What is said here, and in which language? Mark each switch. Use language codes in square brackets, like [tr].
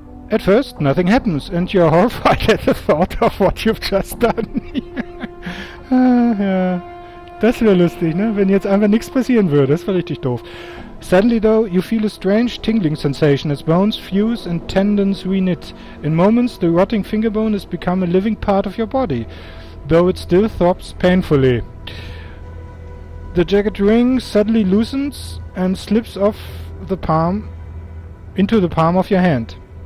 [en] At first, nothing happens and you're horrified at the thought of what you've just done. [de] Ja, das wäre lustig, ne? Wenn jetzt einfach nichts passieren würde, das wäre richtig doof. [en] Suddenly, though, you feel a strange tingling sensation as bones fuse and tendons re-knit. In moments, the rotting finger bone has become a living part of your body, though it still throbs painfully. The jagged ring suddenly loosens and slips off the palm into the palm of your hand.